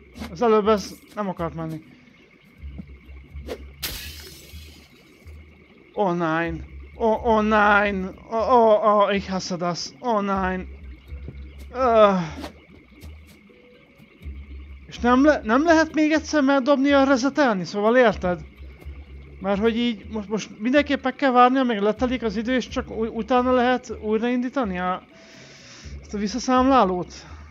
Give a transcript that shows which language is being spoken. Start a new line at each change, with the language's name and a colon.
Hungarian: Az előbb ez nem akart menni.
German: Oh nein! Oh nein! Oh, ich hasse das! Oh nein!
Hungarian: Most nem lehet még egyszer megdobni a resetelni, szóval érted? Mert hogy így most mindenképpen kell várni, amíg letelik az idő, és csak utána lehet újraindítani ezt a visszaszámlálót.